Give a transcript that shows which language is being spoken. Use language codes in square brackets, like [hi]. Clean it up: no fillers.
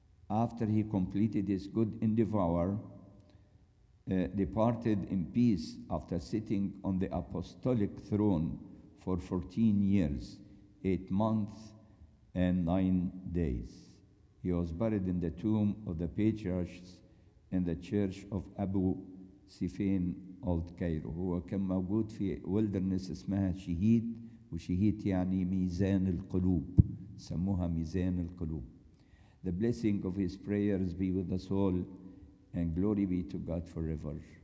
[en] After he completed his good endeavor, departed in peace after sitting on the apostolic throne for 14 years. 8 months and 9 days. He was buried in the tomb of the patriarchs in the church of Abu Sifin, Old Cairo. [ar] هو كان موجود في wilderness اسمها شهيد, وشهيد يعني ميزان القلوب, سموها ميزان القلوب. [en] The blessing of his prayers be with us all, and glory be to God forever.